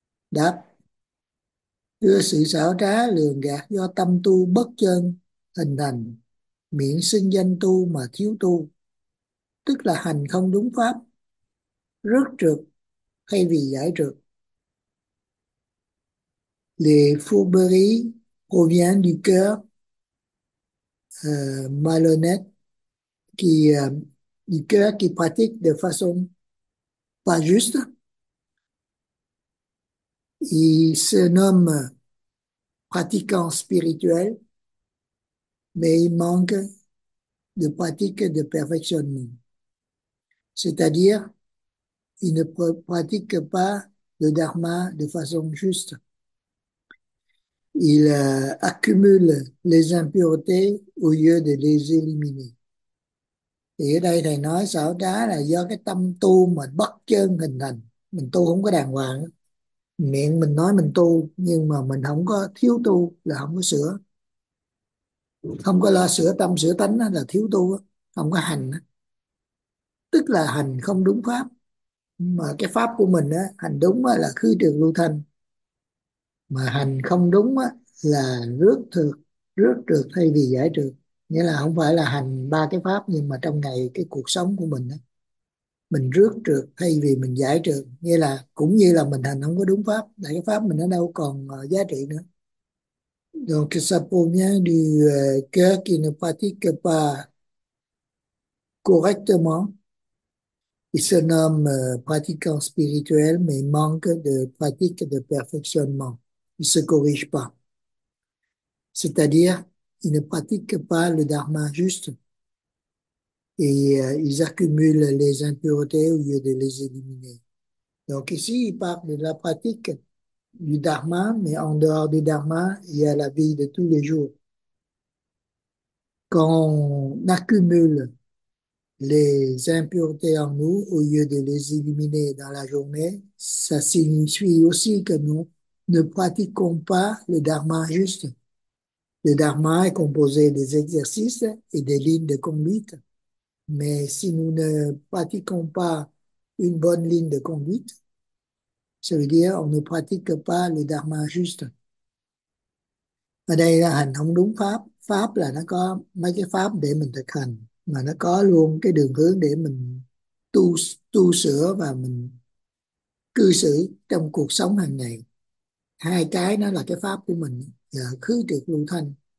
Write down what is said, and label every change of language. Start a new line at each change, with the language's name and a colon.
Vietnamese: Đáp, đưa sự xảo trá lường gạt do tâm tu bất chân hình thành, miệng xưng danh tu mà thiếu tu, tức là hành không đúng pháp, rước trượt thay vì giải trượt.
French: Les fourberies proviennent du cœur malhonnête, du cœur qui pratique de façon pas juste. Il se nomme pratiquant spirituel, mais il manque de pratique de perfectionnement. C'est-à-dire, il ne pratique pas le dharma de façon juste. Il accumule les impuretés au lieu de les éliminer.
Vietnamese: Thì ở đây thầy nói xảo trá là do cái tâm tu mà bất chân hình thành. Mình tu không có đàng hoàng. Miệng mình nói mình tu nhưng mà mình không có thiếu tu là không có sửa. Không có lo sửa tâm sửa tánh là thiếu tu, không có hành. Tức là hành không đúng pháp. Mà cái pháp của mình á, hành đúng là khứ trượt lưu thanh. Mà hành không đúng á, là rước trượt thay vì giải trượt. Nghĩa là không phải là hành ba cái pháp nhưng mà trong ngày cái cuộc sống của mình đó, mình rước trượt thay vì mình giải trượt, nghĩa là cũng như là mình hành không có đúng pháp, tại cái pháp mình nó đâu còn giá trị nữa.
French: Donc ça provient du cœur qui ne pratique pas correctement. Il se nomme pratiquant spirituel mais manque de pratique de perfectionnement. Il se corrige pas. c'est-à-dire ils ne pratiquent pas le dharma juste et ils accumulent les impuretés au lieu de les éliminer. Donc ici, ils parlent de la pratique du dharma, mais en dehors du dharma, il y a la vie de tous les jours. Quand on accumule les impuretés en nous au lieu de les éliminer dans la journée, ça signifie aussi que nous ne pratiquons pas le dharma juste. Le dharma est composé des exercices et des lignes de conduite, mais si nous ne pratiquons pas une bonne ligne de conduite, ça veut dire on ne pratique pas le dharma juste.
Vietnamese: Ở đây là hành không đúng pháp. Pháp là nó có mấy cái pháp để mình thực hành, mà nó có luôn cái đường hướng để mình tu tu sửa và mình cư xử trong cuộc sống hàng ngày. Hai cái nó là cái pháp của mình, khứ trược lưu thanh.